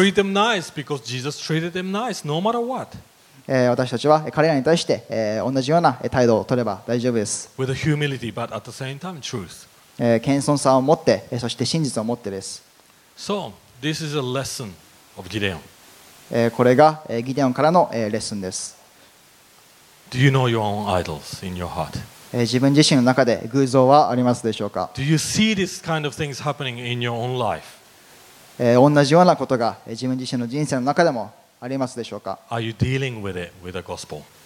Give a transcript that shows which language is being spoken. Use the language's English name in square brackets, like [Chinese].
[English] We can treat them nice because Jesus treated them nice, no matter what. [Japanese] 私たちは彼らに対して、同じような態度を取れば大丈夫です。 [English] With a humility, but at the same time, truth. [Japanese] 謙遜さを持って、そして真実を持ってです。 [English] So, this is a lesson of Gideon. [Japanese] これが、ギデオンからの、レッスンです。 [English] Do you know your own idols in your heart? [Japanese] 自分自身の中で偶像はありますでしょうか。 [English] Do you see this kind of things happening in your own life? [Japanese] 同じようなことが自分自身の人生の中でもありますでしょうか。 [English] Are you dealing with it with the gospel?